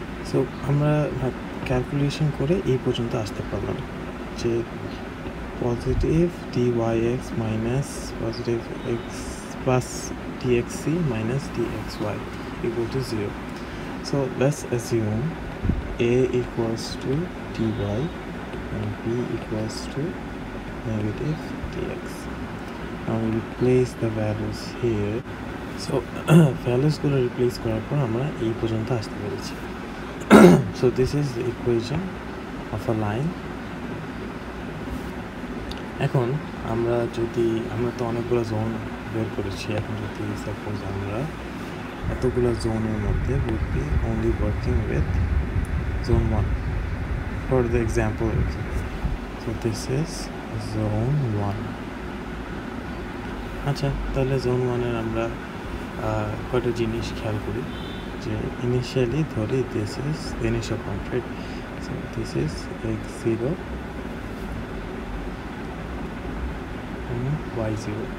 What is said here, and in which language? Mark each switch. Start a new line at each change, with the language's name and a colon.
Bangla: So, আমরা calculation করে এই পর্যন্ত আসতে পারলাম যে positive dyx minus positive x plus dxc minus dxy equal to 0.
English: So, let's assume a equals to dy and b equals to negative dx. Now, we replace the values here.
Bangla: So, values গুলো replace করার পর আমরা এই পর্যন্ত আসতে পেরেছি.
English: So this is the equation of a line.
Bangla: এখন আমরা যদি আমরা তো অনেকগুলো জোন বের করেছি, এখন যদি সাপোজ আমরা এতগুলো জোনের মধ্যে
English: Will be only working with zone one for the example. So this is zone one.
Bangla: আচ্ছা, তাহলে জোন ওয়ানের আমরা কয়েকটা জিনিস খেয়াল করি.
English: Initially, this is the initial point, right? So, this is x0 and y0.